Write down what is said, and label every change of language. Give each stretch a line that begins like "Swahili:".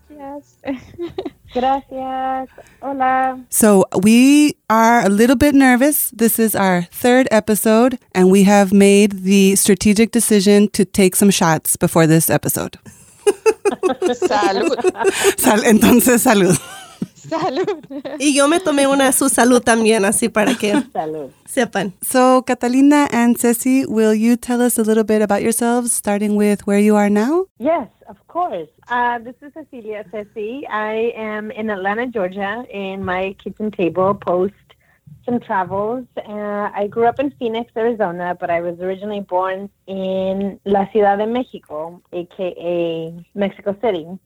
Spanish: Gracias. Gracias. Hola.
English: So we are a little bit nervous. This is our third episode, and we have made the strategic decision to take some shots before this episode.
Spanish: Salud. Entonces, salud. Salud. Y yo me tomé una su salud también, así para que sepan.
English: So, Catalina and Ceci, will you tell us a little bit about yourselves, starting with where you are now? Yes, of course. This is Cecilia, Ceci. I am in Atlanta, Georgia, in my kitchen table post some travels. I grew up in Phoenix, Arizona, but I was originally born in La Ciudad de México, a.k.a. Mexico City.